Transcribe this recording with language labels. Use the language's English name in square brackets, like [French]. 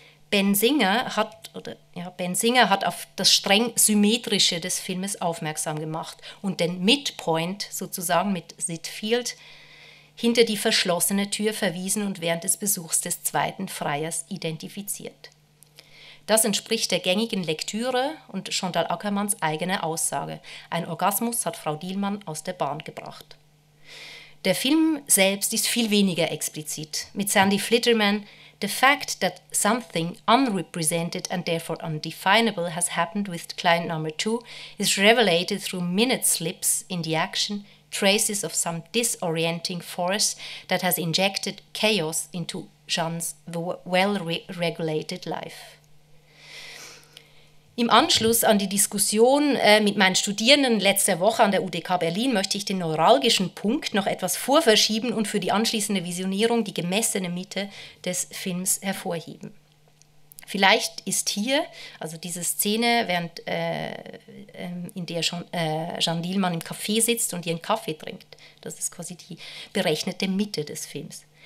[German] Ben Singer hat auf das streng Symmetrische des Filmes aufmerksam gemacht und den Midpoint, sozusagen mit Sitfield, hinter die verschlossene Tür verwiesen und während des Besuchs des zweiten Freiers identifiziert. Das entspricht der gängigen Lektüre und Chantal Ackermanns eigener Aussage. Ein Orgasmus hat Frau Dielmann aus der Bahn gebracht. Der Film selbst ist viel weniger explizit. Mit [English] Sandy Flitterman: "The fact that something unrepresented and therefore undefinable has happened with client number two is revelated through minute slips in the action, traces of some disorienting force that has injected chaos into Jeanne's well-regulated life." [German] Im Anschluss an die Diskussion mit meinen Studierenden letzte Woche an der UdK Berlin möchte ich den neuralgischen Punkt noch etwas vorverschieben und für die anschließende Visionierung die gemessene Mitte des Films hervorheben. Vielleicht ist hier, also diese Szene, während in der Jeanne Dielmann im Café sitzt und ihren Kaffee trinkt, das ist quasi die berechnete Mitte des Films.